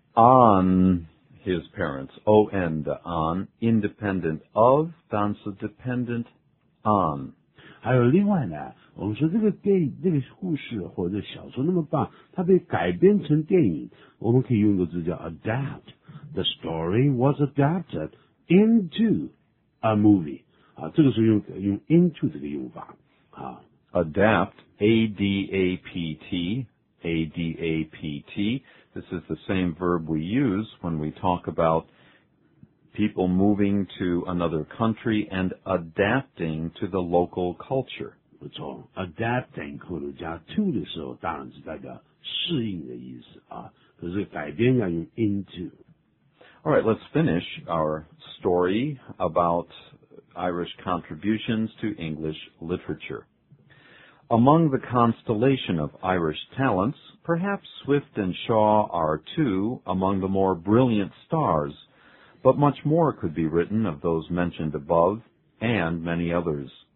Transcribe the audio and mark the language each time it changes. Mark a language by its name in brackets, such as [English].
[English] on his parents. O-N 的 on, independent of, [Chinese] 但是 [English] dependent on. [Chinese] 还有另外呢， 我们说这个故事或者小说那么棒， 它被改编成电影， 我们可以用个字叫adapt. [English] The story was adapted into a movie. [Chinese] 这个是用into这个用法。 [English] Adapt, A-D-A-P-T, A-D-A-P-T. This is the same verb we use when we talk about people moving to another country and adapting to the local culture. [Chinese] 不错, adapting, 或者加to的时候当然是代表适应的意思。可是改编要用into。 [English] All right, let's finish our story about Irish contributions to English literature. Among the constellation of Irish talents, perhaps Swift and Shaw are two among the more brilliant stars, but much more could be written of those mentioned above and many others.